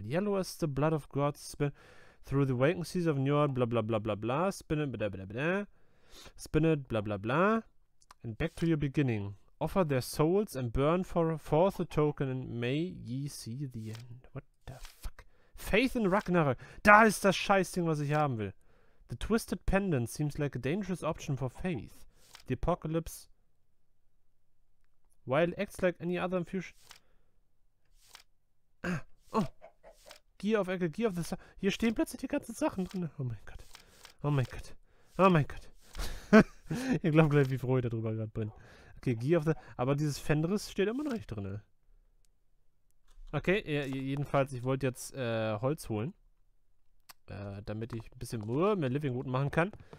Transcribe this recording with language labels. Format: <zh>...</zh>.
<en>Yellow as the blood of gods. Spin through the waking seas of Njord. Bla bla bla bla bla. Spin it, bla bla bla. Spin it, bla bla bla. And back to your beginning. Offer their souls and burn for forth a token and may ye see the end. What the fuck? Faith in Ragnarok.</en> <de>Da ist das Scheißding, was ich haben will.</de> <en>The twisted pendant seems like a dangerous option for faith. The apocalypse. While it acts like any other infusion. Ah, oh. Gear of Ecke, Gear of the Sun.</en> <de>Hier stehen plötzlich die ganzen Sachen drin. Oh mein Gott. Oh mein Gott. Oh mein Gott. Ich glaube gleich, wie froh ich darüber gerade bin. Okay, Gear of the. Aber dieses Fenris steht immer noch nicht drin. Okay, jedenfalls, ich wollte jetzt Holz holen. Damit ich ein bisschen mehr Living Wood machen kann.</de>